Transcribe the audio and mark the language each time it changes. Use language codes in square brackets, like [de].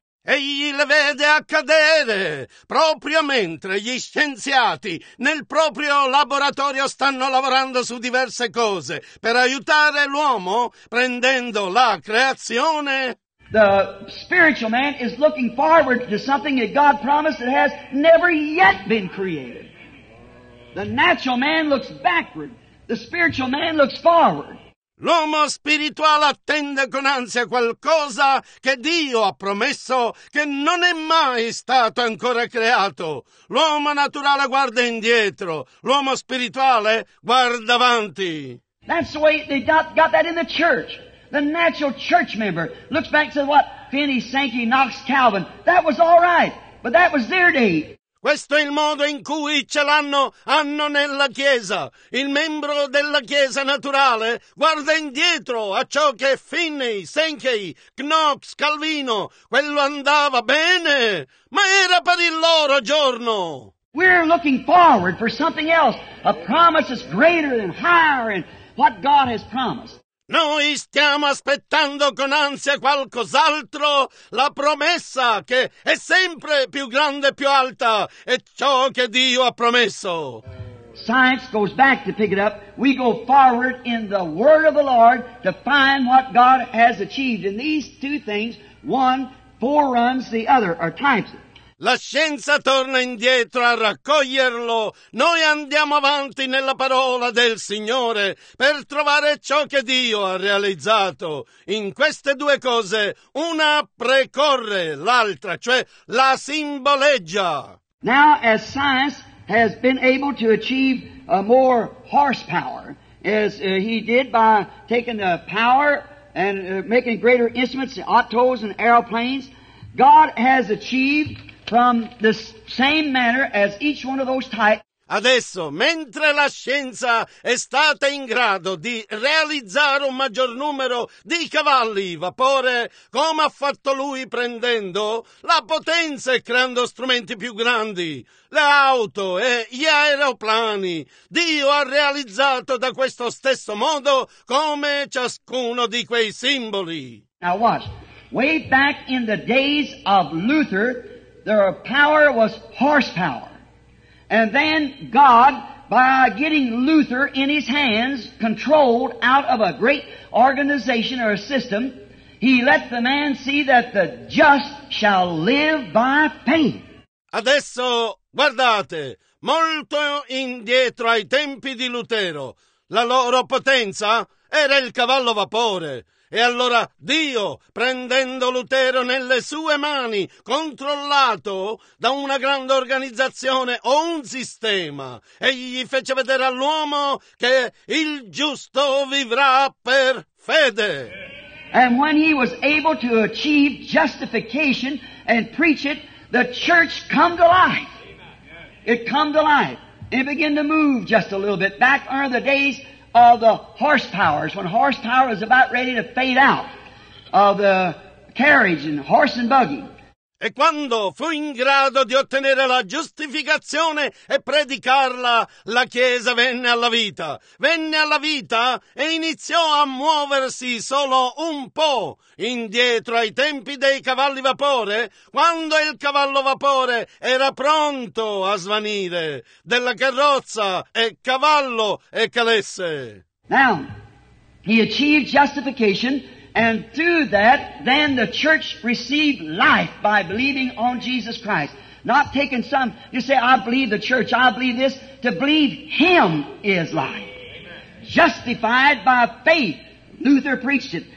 [it] Egli le vede accadere proprio mentre gli scienziati nel proprio laboratorio stanno lavorando su diverse cose per aiutare l'uomo prendendo la creazione. [en] The spiritual man is looking forward to something that God promised that has never yet been created. The natural man looks backward. The spiritual man looks forward. [it] L'uomo spirituale attende con ansia qualcosa che Dio ha promesso che non è mai stato ancora creato. L'uomo naturale guarda indietro. L'uomo spirituale guarda avanti. [en] That's the way they got that in the church. The natural church member looks back to what Finney, Sankey, Knox, Calvin. That was all right, but that was their day. [it] Questo è il modo in cui ce l'hanno, hanno nella Chiesa. Il membro della Chiesa naturale guarda indietro a ciò che Finney, Sankey, Knox, Calvino, quello andava bene, ma era per il loro giorno. [en] We're looking forward for something else, a promise that's greater and higher than what God has promised. [it] Noi stiamo aspettando con ansia qualcos'altro, la promessa che è sempre più grande e più alta, è ciò che Dio ha promesso. [en] Science goes back to pick it up. We go forward in the word of the Lord to find what God has achieved. And these two things, one foreruns the other, or times it. [it] La scienza torna indietro a raccoglierlo. Noi andiamo avanti nella parola del Signore per trovare ciò che Dio ha realizzato. In queste due cose, una precorre l'altra, cioè la simboleggia. [en] Now, as science has been able to achieve a more horsepower, as he did by taking the power and making greater instruments, autos and aeroplanes, God has achieved from the same manner as each one of those types. [it] Adesso, mentre la scienza è stata in grado di realizzare un maggior numero di cavalli vapore, come ha fatto lui prendendo la potenza e creando strumenti più grandi, le auto e gli aeroplani, Dio ha realizzato da questo stesso modo come ciascuno di quei simboli. [en] Now watch, way back in the days of Luther, their power was horsepower. And then God, by getting Luther in his hands, controlled out of a great organization or a system, he let the man see that the just shall live by faith. [it] Adesso, guardate, molto indietro ai tempi di Lutero, la loro potenza era il cavallo vapore. E allora Dio, prendendo Lutero nelle sue mani, controllato da una grande organizzazione o un sistema, egli fece vedere all'uomo che il giusto vivrà per fede. [en] And when he was able to achieve justification and preach it, the church come to life. It come to life. It began to move just a little bit. Back under the days of the horsepowers, when horsepower is about ready to fade out of the carriage and horse and buggy. [it] E quando fu in grado di ottenere la giustificazione e predicarla, la Chiesa venne alla vita. Venne alla vita e iniziò a muoversi solo un po' indietro ai tempi dei cavalli vapore, quando il cavallo vapore era pronto a svanire, della carrozza e cavallo e calesse. [en] Now, he achieved justification. And through that, then the church received life by believing on Jesus Christ. Not taking some, you say, I believe the church, I believe this. To believe Him is life. Amen. Justified by faith. Luther preached it.